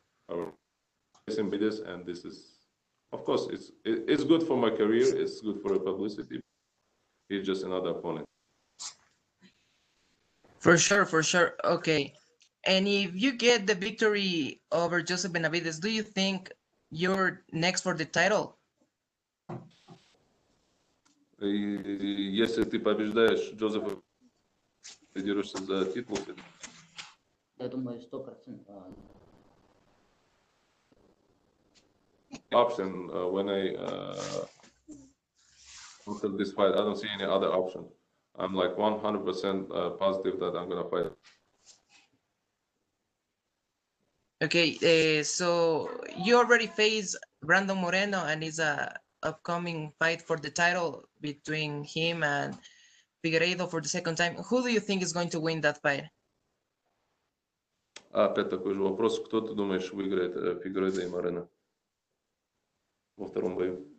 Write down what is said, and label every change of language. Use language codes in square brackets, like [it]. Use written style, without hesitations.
[en] I with this, and this is, of course, it's good for my career. It's good for the publicity. He's just another opponent. For sure, for sure. Okay, and if you get the victory over Joseph Benavidez, do you think you're next for the title? [ru] И если ты побеждаешь Джозефа, ты дерешься за титул? Я думаю, 100%. [en] Option, when I look at this fight, I don't see any other option. I'm like 100% positive that I'm gonna fight. Okay, so you already face Brandon Moreno, and he's a upcoming fight for the title between him and Figueiredo for the second time. Who do you think is going to win that fight? [ru] Опять такой же вопрос. Кто ты думаешь выиграет Фигуредо и Морено во втором бою?